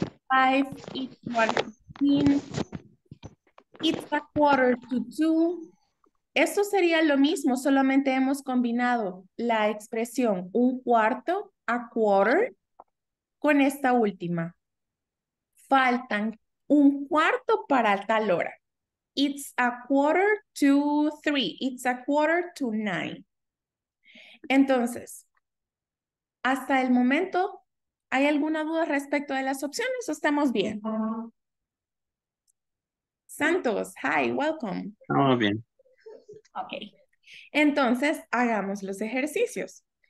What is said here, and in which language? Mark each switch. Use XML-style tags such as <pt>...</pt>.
<en>5, it's 1:15, it's a quarter to two.</en> <es>Eso sería lo mismo, solamente hemos combinado la expresión un cuarto, a quarter, con esta última. Faltan un cuarto para tal hora.</es> <en>It's a quarter to three, it's a quarter to nine.</en> <es>Entonces, hasta el momento, ¿hay alguna duda respecto de las opciones o estamos bien?</es> <en>Santos, hi, welcome.</en> <es>Todo bien. Okay. Entonces, hagamos los ejercicios.</es>